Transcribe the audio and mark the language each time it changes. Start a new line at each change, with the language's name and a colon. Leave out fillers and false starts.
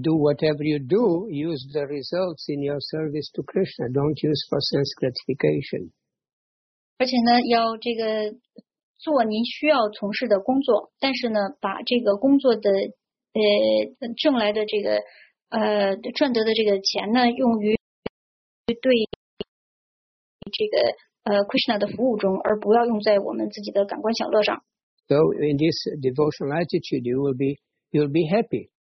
English: do whatever you do, use the results in your service to Krishna. Don't use for sense gratification.
Chinese: 而且呢，要这个做您需要从事的工作，但是呢，把这个工作的挣来的这个赚得的这个钱呢，用于 对这个Krishna 的服务中，而不要用在我们自己的感官享乐上。So
English: in this devotional attitude, you will be happy.